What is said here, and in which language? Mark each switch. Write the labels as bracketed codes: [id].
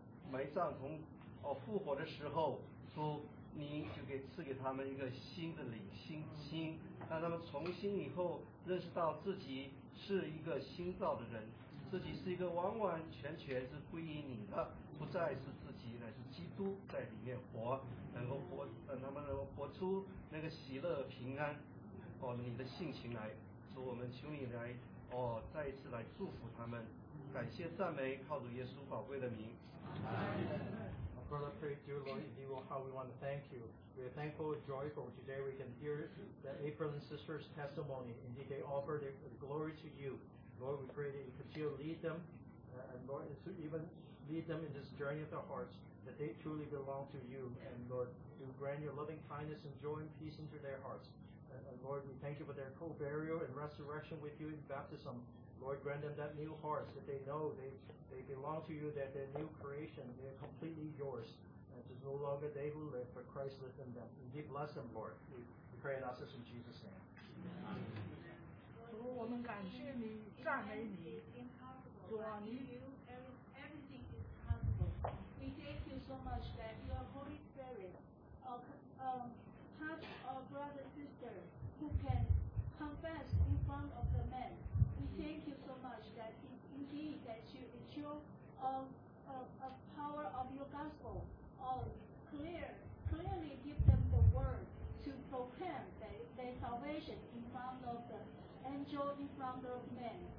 [zh] 埋葬从复活的时候，主你就给赐给他们一个新的灵心，让他们重新以后认识到自己是一个新造的人，自己是一个完完全全是归于你的，不再是自己，乃是基督在里面活，能够活出那个喜乐平安哦你的性情来。主，我们求你来哦，再一次来祝福他们，感谢赞美，靠主耶稣宝贵的名。 [en] Amen. Brother, pray dear Lord, if you will, how we want to thank you. We are thankful and joyful today we can hear the eight brothers and sisters' testimony. Indeed, they offer their glory to you. Lord, we pray that you continue to lead them, and Lord, to even lead them in this journey of their hearts, that they truly belong to you. And Lord, you grant your loving kindness and joy and peace into their hearts. Lord, we thank you for their co-burial and resurrection with you in baptism. Lord, grant them that new heart that they know they belong to you, that they're new creation, they're completely yours. And it's no longer they who live, but Christ lives in them. And give bless them, Lord. We pray and ask this in Jesus' name. Amen. [zh] 主，我们感谢你，赞美你，主啊，你。 [en] Everything is possible. We thank you so much that your Holy Spirit touch our brother and sister who can confess in front of the man. We thank you so much that indeed that you show a power of your gospel of clearly give them the word to proclaim their salvation in front of the angel, in front of men.